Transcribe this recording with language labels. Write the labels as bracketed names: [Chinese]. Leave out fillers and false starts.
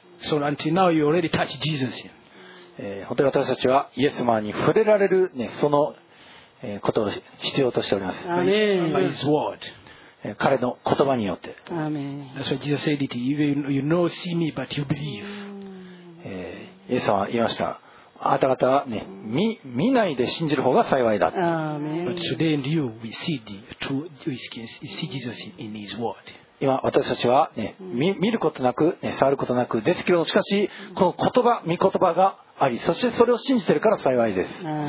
[English] so until now you already touched Jesus. [Japanese] 本当に私たちはイエス様に触れられる、ね、そのことを必要としております。 [English] His word. [Japanese] 彼の言葉によって。 [English] Amen. That's what Jesus said to you. You know, see me, but you believe. [Japanese] イエス様は言いました。あなた方は、ね、見ないで信じる方が幸いだ。 [English] Amen. But today and you, we see the true, we see Jesus in His word. [Japanese] 今私たちは、ね、見ることなく、ね、触ることなくですけど、しかしこの言葉、御言葉があり、そしてそれを信じているから幸いです。